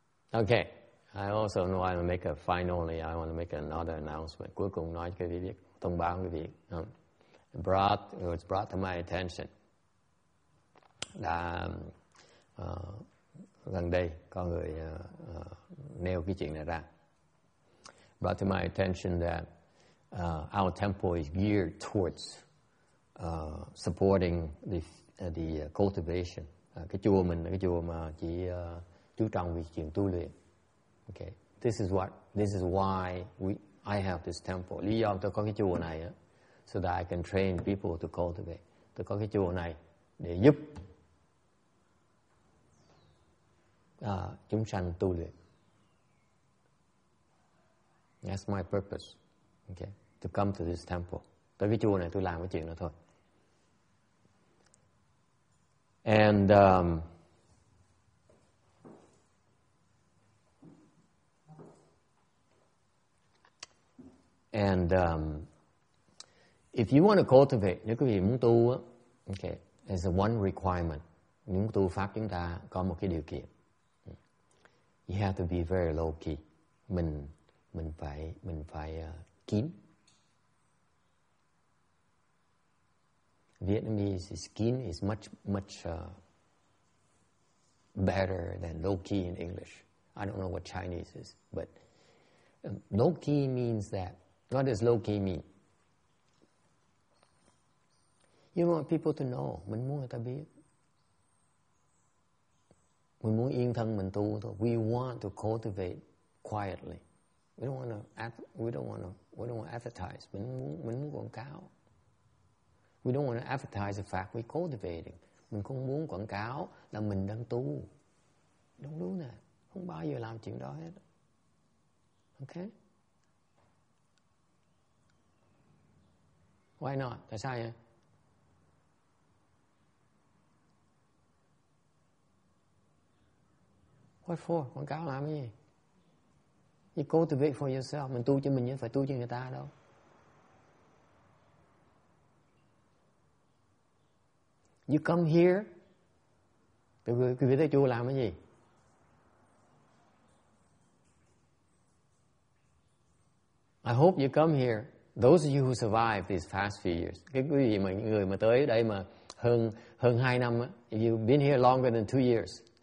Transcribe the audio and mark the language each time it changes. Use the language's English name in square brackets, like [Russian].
[English] Okay. I also know I want to make a finally, I want to make another announcement. [Vietnamese] Cuối cùng nói cho quý vị, thông báo quý vị. [English] It was brought to my attention [Vietnamese] là gần đây có người nêu cái chuyện này ra. [English] Brought to my attention that our temple is geared towards supporting the cultivation. [Vietnamese] Cái chùa mình là cái chùa mà chỉ chú trọng việc chuyện tu luyện. [English] Okay, this is why I have this temple. [Vietnamese] Lý do tôi có cái chùa này á, [English] so that I can train people to cultivate. [Vietnamese] Tôi có cái chùa này để giúp chúng sanh tu luyện. [English] That's my purpose. Okay, to come to this temple. [Vietnamese] Tới cái chùa này tôi làm cái chuyện đó thôi. [English] And if you want to cultivate, [Vietnamese] nếu quý vị muốn tu, [English] okay, there's one requirement. [Vietnamese] Muốn tu pháp chúng ta có một cái điều kiện. [English] You have to be very low key. [Vietnamese] Mình phải kín. [English] Vietnamese kín is much better than low key in English. I don't know what Chinese is, but low key means that. What does low-key mean? You want people to know. [Vietnamese] Mình muốn người ta biết. Mình muốn yên thân mình tu thôi. [English] We want to cultivate quietly. We don't want to advertise. [Vietnamese] Mình muốn quảng cáo. [English] We don't want to advertise the fact we're cultivating. [Vietnamese] Mình không muốn quảng cáo là mình đang tu. Đúng đúng nè. Không bao giờ làm chuyện đó hết. Okay? [English] Why not? [Vietnamese] Tại sao vậy? [English] What for? [Vietnamese] Quảng cáo làm cái gì? [English] You go to wait for yourself. [Vietnamese] Mình tu cho mình chứ phải tu cho người ta đâu. [English] You come here. [Vietnamese] Quý vị tới chùa làm cái gì? [English] I hope you come here. Those of you who survived these past few years. [Vietnamese] Cái quý vị mà người mà tới đây mà hơn 2 năm á, [English] if you've been here longer than 2 years.